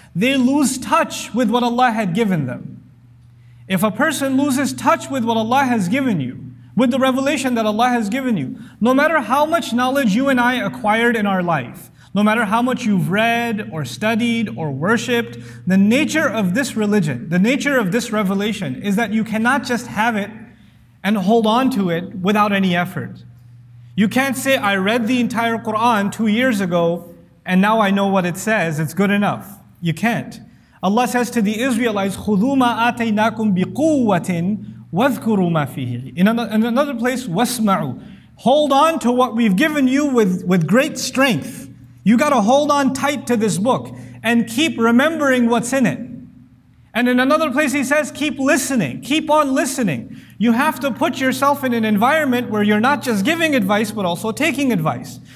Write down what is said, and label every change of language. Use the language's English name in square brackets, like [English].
[English] They lose touch with what Allah had given them. If a person loses touch with what Allah has given you, with the revelation that Allah has given you, no matter how much knowledge you and I acquired in our life, no matter how much you've read or studied or worshipped, the nature of this religion, the nature of this revelation is that you cannot just have it and hold on to it without any effort. You can't say, I read the entire Quran 2 years ago and now I know what it says, it's good enough. You can't. Allah says to the Israelites, [Arabic] خُذُوا مَا آتَيْنَاكُمْ بِقُوَّةٍ وَذْكُرُوا مَا فِيهِ. [English] In another place, wasma'u. Hold on to what we've given you with great strength. You gotta hold on tight to this book and keep remembering what's in it. And in another place he says, keep listening, keep on listening. You have to put yourself in an environment where you're not just giving advice, but also taking advice.